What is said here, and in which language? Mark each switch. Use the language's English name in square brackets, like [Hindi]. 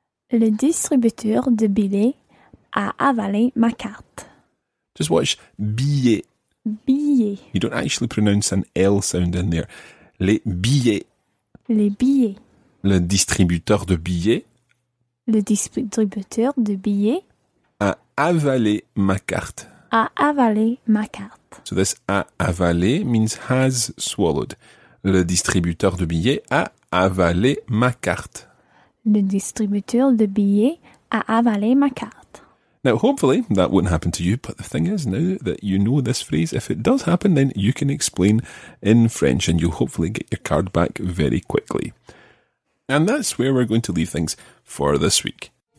[French] Le distributeur de billets a avalé ma carte. [English] Just watch billet. [French] Billet. [English] You don't actually pronounce an L sound in there. [French] Les billets. Les billets. Le distributeur de billets. Le distributeur de billets. A avalé ma carte. A avalé ma carte. [English] So this [French] a avalé [English] means has swallowed. [French] Le distributeur de billets a avalé ma carte. Le distributeur de billets a avalé ma carte. [English] Now, hopefully, that wouldn't happen to you, but the thing is, now that you know this phrase, if it does happen, then you can explain in French and you'll hopefully get your card back very quickly. And that's where we're going to leave things for this week.